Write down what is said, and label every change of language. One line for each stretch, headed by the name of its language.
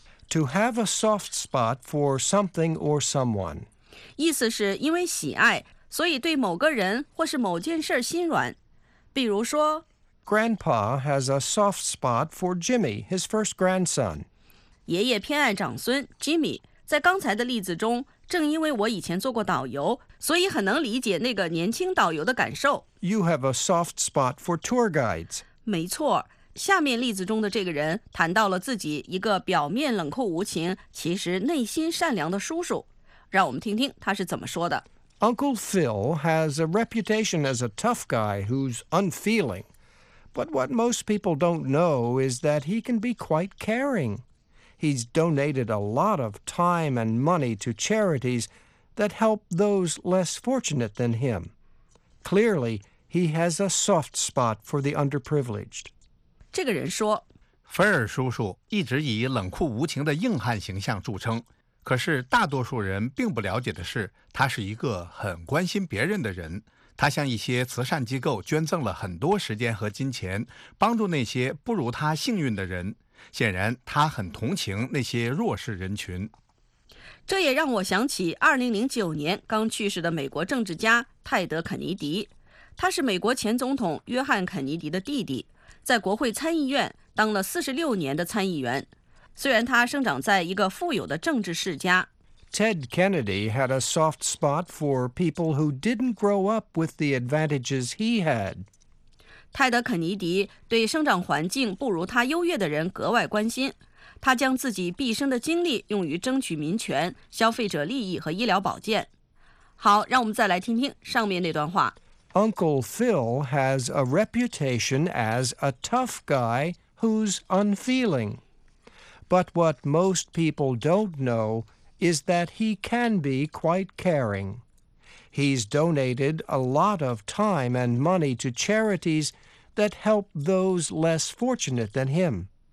English: To have a soft spot for something or someone.
Chinese: 意思是因为喜爱，所以对某个人或是某件事心软。比如说
English: Grandpa has a soft spot for Jimmy, his first grandson.
Chinese: 爷爷偏爱长孙 Jimmy. 在刚才的例子中，正因为我以前做过导游，所以很能理解那个年轻导游的感受。
English: You have a soft spot for tour guides.
Chinese: 没错。下面例子中的这个人谈到了自己一个表面冷酷无情，其实内心善良的叔叔。让我们听听他是怎么说的。
English: Uncle Phil has a reputation as a tough guy who's unfeeling. But what most people don't know is that he can be quite caring. He's donated a lot of time and money to charities that help those less fortunate than him. Clearly, he has a soft spot for the underprivileged.
Chinese: 这个人说，菲尔叔叔一直以冷酷无情的硬汉形象著称，可是大多数人并不了解的是，他是一个很关心别人的人。他向一些慈善机构捐赠了很多时间和金钱，帮助那些不如他幸运的人。显然，他很同情那些弱势人群。这也让我想起2009年刚去世的美国政治家泰德·肯尼迪，他是美国前总统约翰·肯尼迪的弟弟。在国会参议院当了46年的参议员，虽然他生长在一个富有的政治世家。
English: Ted Kennedy had a soft spot for people who didn't grow up with the advantages he had.
Chinese: 泰德·肯尼迪对生长环境不如他优越的人格外关心，他将自己毕生的精力用于争取民权、消费者利益和医疗保健。好，让我们再来听听上面那段话。
English: Uncle Phil has a reputation as a tough guy who's unfeeling. But what most people don't know is that he can be quite caring. He's donated a lot of time and money to charities that help those less fortunate than him.